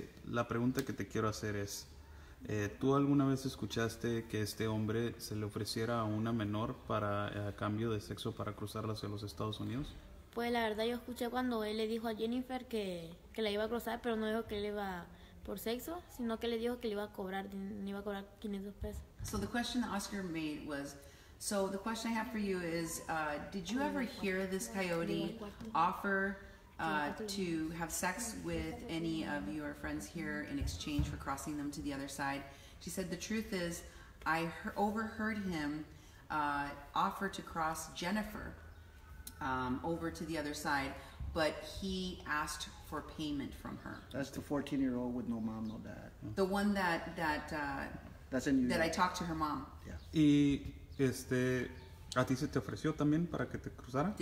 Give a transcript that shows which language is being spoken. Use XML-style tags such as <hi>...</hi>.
<es>La pregunta que te quiero hacer es, ¿tú alguna vez escuchaste que este hombre se le ofreciera a una menor para cambio de sexo para cruzarla hacia los Estados Unidos? Pues la verdad yo escuché cuando él le dijo a Jennifer que la iba a cruzar, pero no dijo que le iba por sexo, sino que le dijo que le iba a cobrar $500.</es> <en>So the question that Oscar made was, so the question I have for you is, did you ever hear this coyote offer to have sex with any of your friends here in exchange for crossing them to the other side? She said, the truth is, I overheard him offer to cross Jennifer over to the other side, but he asked for payment from her. That's the 14-year-old with no mom, no dad. The one that I talked to her mom. Yeah.</en> <es>¿A ti se te ofreció también para que te cruzara?</es>